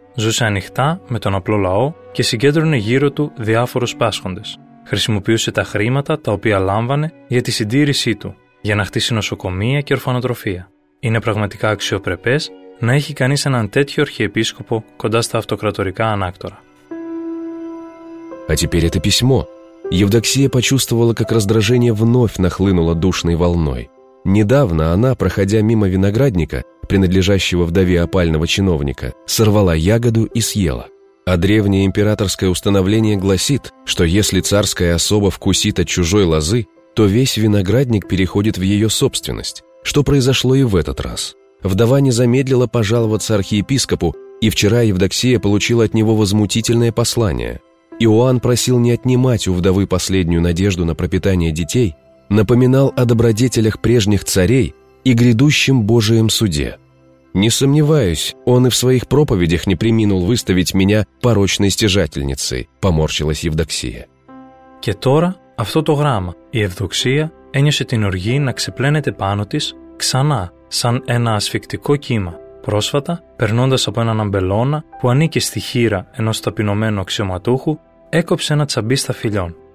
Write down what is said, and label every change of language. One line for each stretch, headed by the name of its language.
Greek: Ζούσε ανοιχτά με τον απλό λαό και συγκέντρωνε γύρω του διάφορους πάσχοντες. Χρησιμοποιούσε τα χρήματα τα οποία λάμβανε για τη συντήρησή του, για να χτίσει νοσοκομεία και ορφανοτροφία. Είναι πραγματικά αξιοπρεπές να έχει κανείς έναν τέτοιο αρχιεπίσκοπο κοντά στα αυτοκρατορικά ανάκτορα.
Russian: А теперь это письмо. Евдоксия почувствовала, как раздражение вновь нахлынуло душной волной. Недавно она, проходя мимо виноградника, принадлежащего вдове опального чиновника, сорвала ягоду и съела. А древнее императорское установление гласит, что если царская особа вкусит от чужой лозы, то весь виноградник переходит в ее собственность, что произошло и в этот раз. Вдова не замедлила пожаловаться архиепископу, и вчера Евдоксия получила от него возмутительное послание. Иоанн просил не отнимать у вдовы последнюю надежду на пропитание детей, напоминал о добродетелях прежних царей и грядущем Божием суде. «Не сомневаюсь, он и в своих проповедях не приминул выставить меня порочной стяжательницей», — поморщилась Евдоксия.
Greek: «Και τώρα αυτό το γράμμα, η Ευδοξία ένιωσε την οργή να ξεπλένεται πάνω της ξανά, σαν ένα ασφυκτικό κύμα». Πρόσφατα, περνώντας από έναν αμπελώνα που ανήκε στη χείρα ενός ταπεινωμένου αξιωματούχου, έκοψε ένα τσαμπί στα φιλιών.